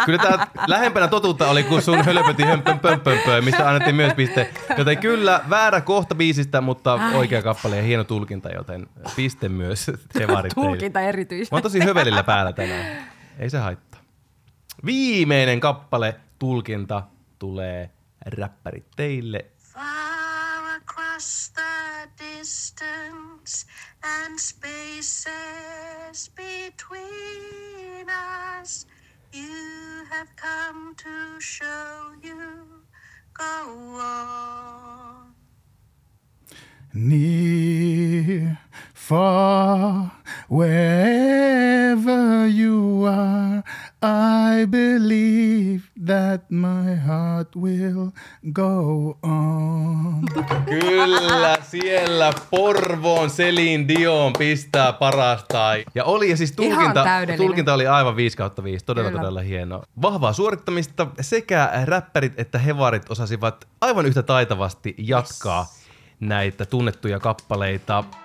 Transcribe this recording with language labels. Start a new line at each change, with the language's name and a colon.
Finnish: Kyllä tää lähempänä totuutta oli kuin sun hölöpötipömpömpömpö, mistä annettiin myös piste. Joten kyllä, väärä kohta biisistä, mutta oikea kappale ja hieno tulkinta, joten piste myös Hevarit. Tulkinta erityisesti. Mä oon tosi hövelillä päällä tänään. Ei se haittaa. Viimeinen kappale tulkinta tulee Räppärit teille.
English: Across the distance and spaces between us, you have come to show you, go on. Near, far, wherever you are, I believe that my heart will go on.
Finnish: Kyllä, siellä Porvoon Celine Dion pistää parasta. Ja oli ja siis tulkinta oli aivan 5/5, todella kyllä. Todella hieno. Vahvaa suorittamista, sekä räppärit että hevarit osasivat aivan yhtä taitavasti jatkaa näitä tunnettuja kappaleita.